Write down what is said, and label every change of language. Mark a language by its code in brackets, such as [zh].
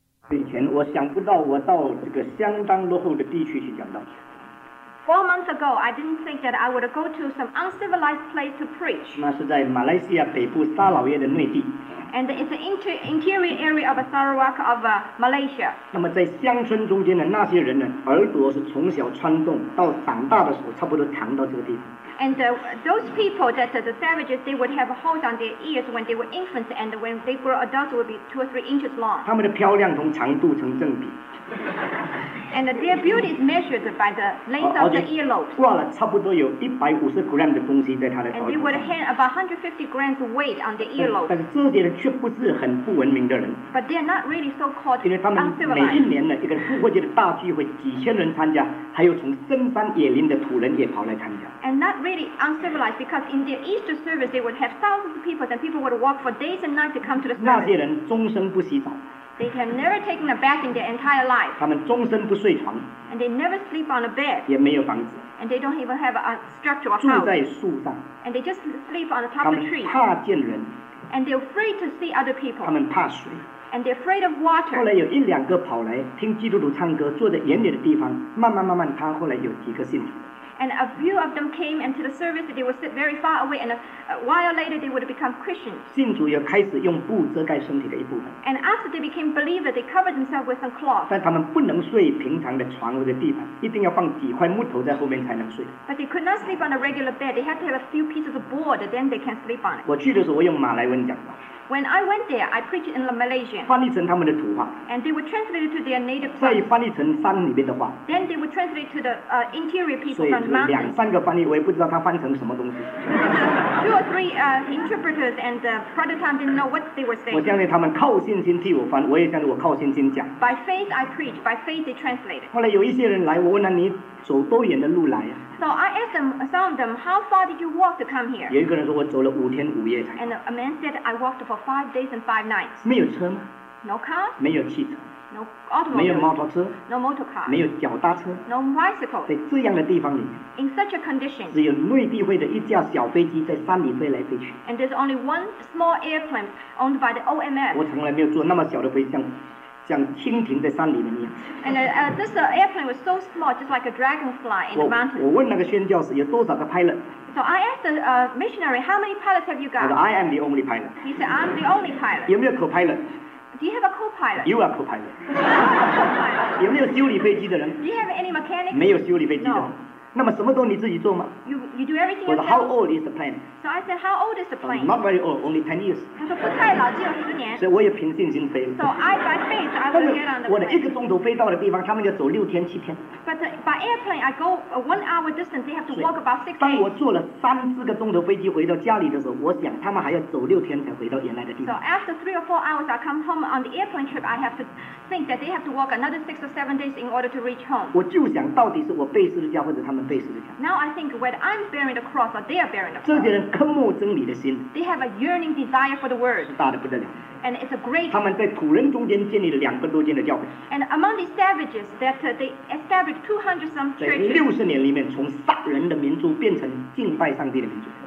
[zh] 以前我想不到我到这个相当落后的地区去讲道。 [en] Four months ago, I didn't think that I would go to some uncivilized place to preach. [zh] 那是在马来西亚北部沙劳越的内地。 [en] And it's an interior area of Sarawak of Malaysia. [zh] 那么在乡村中间的那些人呢，耳朵是从小穿洞，到长大的时候差不多长到这个地方。 [en] And those people that the savages, they would have holes on their ears when they were infants, and when they were adults, would be 2 or 3 inches long. [zh] 他们的漂亮同长度成正比。 [en] And their beauty is measured by the length of the earlobes. [zh] 挂了差不多有150 grams 的东西在他的头上。 [en] And they would hang about 150 grams weight on their earlobes. [zh] 但是这些人却不是很不文明的人。 [en] But they are not really so-called uncivilized. [zh] 因为他们每一年的一个复活节的大聚会，几千人参加，还有从深山野林的土人也跑来参加。 [en] And not really uncivilized because in their Easter service they would have thousands of people, and people would walk for days and nights to come to the service. [zh] 那些人终身不洗澡。 [en] They have never taken a bath in their entire life. [zh] 他们终身不睡床。 [en] And they never sleep on a bed. [zh] 也没有房子。 [en] And they don't even have a structure or house. [zh] 住在树上。 [en] And they just sleep on the top of the tree. [zh] 他们怕见人。 [en] And they're afraid to see other people. [zh] 他们怕水。 [en] And they're afraid of water. [zh] 后来有一两个跑来听基督徒唱歌，坐在远远的地方，慢慢慢慢，他后来有几个信徒。 [en] And a few of them came into the service. They would sit very far away, and a while later, they would become Christians. [zh] 信主又开始用布遮盖身体的一部分。 [en] And after they became believers, they covered themselves with some cloth. [zh] 但他们不能睡平常的床或者地板，一定要放几块木头在后面才能睡。 [en] But they could not sleep on a regular bed. They had to have a few pieces of board, then they can sleep on it. [zh] 我去的时候，我用马来文讲道。 [en] When I went there, I preached in the Malaysian. [zh] 翻译成他们的土话。 [en] And they would translate it to their native. [zh] 再翻译成山里面的话。 [en] Then they would translate to the interior people from the mountains. [zh] 所以两三个翻译，我也不知道他翻成什么东西。 [en] Two or three interpreters and the Protestant didn't know what they were saying. [zh] 我相信他们靠信心替我翻，我也相信我靠信心讲。 [en] By faith I preach. By faith they translated. [zh] 后来有一些人来，我问他你走多远的路来呀、啊？ [en] So I asked them, some of them, how far did you walk to come here? [zh] 有一个人说我走了5天5夜才。 [en] And a man said I walked for 5 days and 5 nights. [zh] 没有车吗 [en] ？No car. [zh] 没有汽车。 [en] No automobile. [zh] 没有摩托车。 [en] No motor car. [zh] 没有脚踏车。 [en] No bicycle. [zh] 在这样的地方里面。 [en] In such a condition. [zh] 只有内地会的一架小飞机在山里飞来飞去。 [en] And there's only one small airplane owned by the OMS. [zh] 我从来没有坐那么小的飞机。像蜻蜓在山里面一样。 [en] And this airplane was so small, just like a dragonfly in the mountains. [zh] 我问那个宣教士有多少个 pilot. [en] So I asked the missionary, how many pilots have you got? [zh] 我说 [en] I am the only pilot. He said I'm the only pilot. [zh] 有没有 co-pilot? [en] Do you have a co-pilot? You are co-pilot. co-pilot. [zh] 有没有修理飞机的人？ [en] Do you have any mechanic? [zh] 没有修理飞机的人。 [en] No. [zh] 那么什么都你自己做吗？ [en] You do everything yourself. [zh] 我说 [en] How old is the plane? So I said How old is the plane? Not very old, only 10 years. [zh] 他说不太老，只有十年。所以我也凭信心飞。 [en] So I by faith I will get on the plane. [zh] 我的一个钟头飞到的地方，他们要走6天7天。 [en] But by airplane I go a 1 hour distance. They have to walk about 6 days. [zh] 当我坐了3-4个钟头飞机回到家里的时候，我想他们还要走6天才回到原来的地方。 [en] So after 3 or 4 hours I come home on the airplane trip, I have to think that they have to walk another 6 or 7 days in order to reach home. [zh] 我就想到底是我背十字架或者他们背十字架。 [en] Now I think whether I'm bearing the cross or they are bearing the cross. [zh] 这些人渴慕真理的心。 [en] They have a yearning desire for the word. [zh] 大得不得了。 [en] And it's a great. [zh] 他们在土人中间建立了2,000多间的教会。 [en] And among these savages, that they established 200-some churches. [zh] 在60年里面，从杀人的民族变成敬拜上帝的民族。